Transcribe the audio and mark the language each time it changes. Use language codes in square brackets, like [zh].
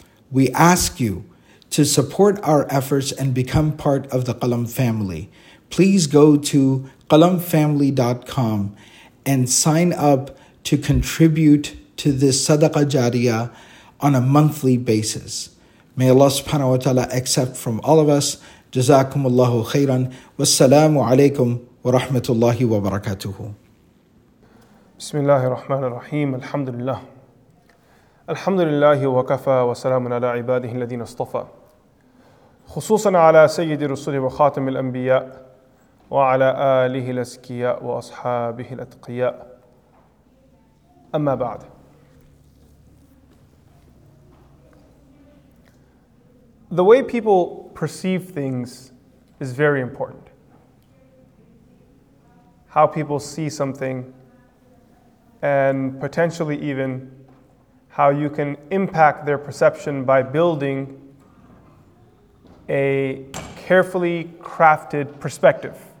[en] We ask you to support our efforts and become part of the Qalam family. Please go to qalamfamily.com and sign up to contribute to this sadaqah jariyah on a monthly basis. May Allah subhanahu wa ta'ala accept from all of us. [ar] جزاكم الله خيرا والسلام عليكم ورحمة الله وبركاته. بسم الله الرحمن الرحيم الحمد لله الحمد لله وكفى وسلام على عباده الذين اصطفى خصوصا على سيد الرسل وخاتم الأنبياء وعلى آله الأزكياء وأصحابه الأتقياء أما بعد. [en] The way people perceive things is very important. How people see something and potentially even how you can impact their perception by building a carefully crafted perspective.